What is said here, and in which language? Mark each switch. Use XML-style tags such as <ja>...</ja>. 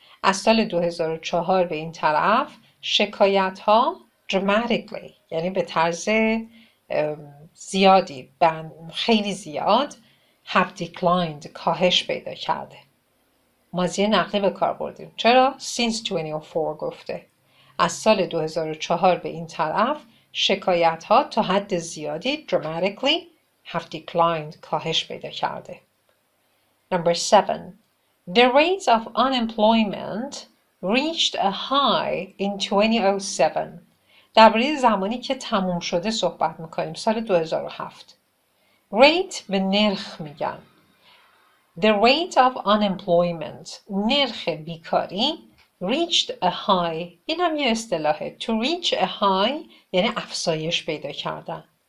<fa>از سال 2004 به این طرف شکایت‌ها dramatically یعنی به طرز زیادی، خیلی زیاد</fa> <en>have declined</en> <fa>کاهش پیدا کرده. ماضی نقدی به کار بردیم. چرا؟</fa> <en>since 2004</en> <fa>گفته. از سال 2004 به این طرف شکایت ها تا حد زیادی</fa> <en>dramatically have declined</en> <fa>کاهش پیدا کرده.</fa> <en>Number 7. The rates of unemployment reached a high in 2007.</en> <fa>در برای زمانی که تموم شده صحبت میکنیم، سال 2007.</fa> <en>Rate</en> <fa>به نرخ میگن.</fa> <en>The rate of unemployment.</en> <fa>نرخ بیکاری.</fa> <en>Reached a high.</en> <fa>این هم یه اصطلاحه.</fa> <en>To reach a high</en> <fa>یعنی افزایش پیدا کردن.</fa>